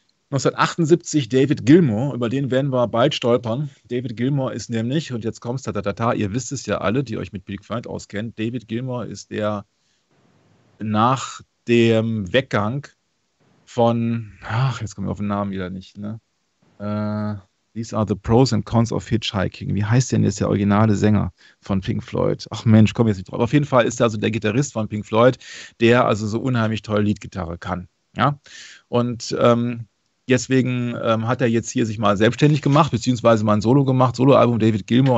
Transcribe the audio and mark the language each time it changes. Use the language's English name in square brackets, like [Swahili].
[German] 1978 David Gilmour, über den werden wir bald stolpern. David Gilmour ist nämlich, und jetzt kommt's, ihr wisst es ja alle, die euch mit Big Find auskennt, David Gilmour ist der nach dem Weggang von, ach, jetzt komme ich auf den Namen wieder nicht, ne? [English] These are the pros and cons of hitchhiking. [German] Wie heißt denn jetzt der originale Sänger von Pink Floyd? Ach Mensch, komm jetzt nicht drauf. Auf jeden Fall ist er also der Gitarrist von Pink Floyd, der also so unheimlich toll Leadgitarre kann. Ja? Und deswegen hat er jetzt hier sich mal selbstständig gemacht, beziehungsweise mal ein Solo gemacht, Soloalbum David Gilmour.